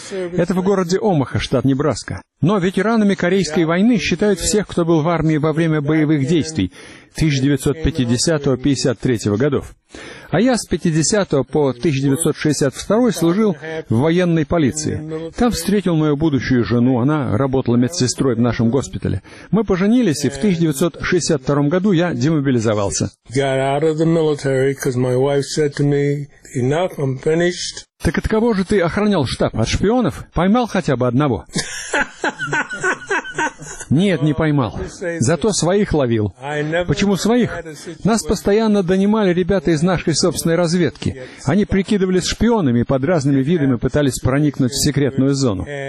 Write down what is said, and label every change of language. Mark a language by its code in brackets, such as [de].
[ru] Это в городе Омаха, штат Небраска. Но ветеранами Корейской войны считают всех, кто был в армии во время боевых действий 1950-53 годов. А я с 50 по 1962 служил в военной полиции. Там встретил мою будущую жену, она работала медсестрой в нашем госпитале. Мы поженились, и в 1962 году я демобилизовался. [en] Got out of the military, because my wife said to me, enough, I'm finished. [ru] Так от кого же ты охранял штаб? От шпионов? Поймал хотя бы одного? Нет, не поймал. Зато своих ловил. Почему своих? Нас постоянно донимали ребята из нашей собственной разведки. Они прикидывались шпионами и под разными видами пытались проникнуть в секретную зону.